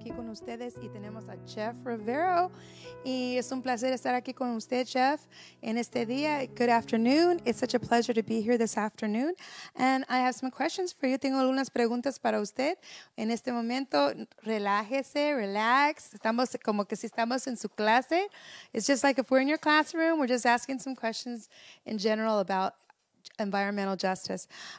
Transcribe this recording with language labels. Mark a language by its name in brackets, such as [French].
[Spanish] Ustedes y tenemos a Jeff Rivero y es un placer estar aquí con usted, Jeff, en este día. [English] Good afternoon. It's such a pleasure to be here this afternoon. And I have some questions for you. [Spanish] Tengo algunas preguntas para usted. En este momento, relájese, relax. Estamos como que si estamos en su clase. [English] It's just like if we're in your classroom, we're just asking some questions in general about environmental justice.